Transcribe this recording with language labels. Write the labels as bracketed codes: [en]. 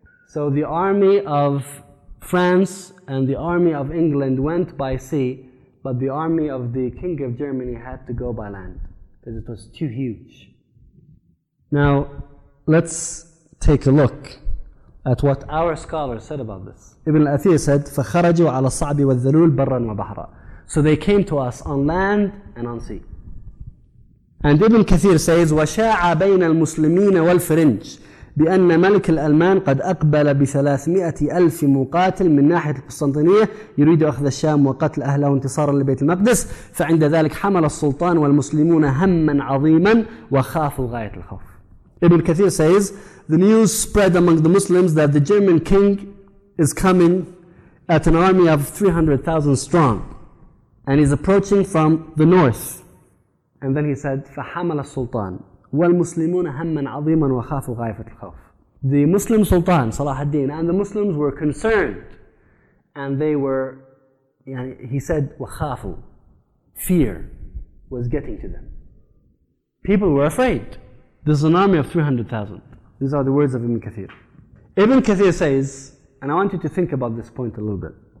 [en] So the army of France and the army of England went by sea, but the army of the King of Germany had to go by land because it was too huge. Now, let's take a look at what our scholars said about this. Ibn al-Athir said, [ar] فَخَرَجُوا عَلَى الصَّعْبِ وَالذَّلُولِ بَرًّا وَبَحْرًا. [en] So they came to us on land and on sea. And Ibn Kathir says, [ar] وَشَاعَ بَيْنَ الْمُسْلِمِينَ وَالْفِرِنْجِ بِأَنَّ مَلِكَ الْأَلْمَانِ قَدْ أَقْبَلَ بِثَلَاثْمِئَةِ أَلْفِ مُقَاتِلٍ مِنْ نَاحِيَةِ الْقُسْطَنْطِينِيَةِ يُرِيدُ أَخْذَ الشَّامِ وَقَتْلَ أَهْلَهُ وَانْتِصَارًا لِبَيْتِ الْمَقْدِسِ فَعِنْدَ ذَلِكَ حَمَلَ السُّلْطَانُ وَالْمُسْلِمُونَ هَمًّا عَظِيمًا وَخَافُوا غَايَةَ الْخَوْفِ. [en] Ibn Kathir says, the news spread among the Muslims that the German king is coming at an army of 300,000 strong and he's approaching from the north. And then he said, [ar] فَحَمَلَ السُّلْطَانُ وَالْمُسْلِمُونَ هَمًّا عَظِيمًا وَخَافُوا غَايَةَ الْخَوْفِ. [en] The Muslim Sultan, Salah ad-Din, and the Muslims were concerned. And they were, he said, [ar] وَخَافُوا. [en] Fear was getting to them. People were afraid. This is an army of 300,000. These are the words of Ibn Kathir. Ibn Kathir says, and I want you to think about this point a little bit.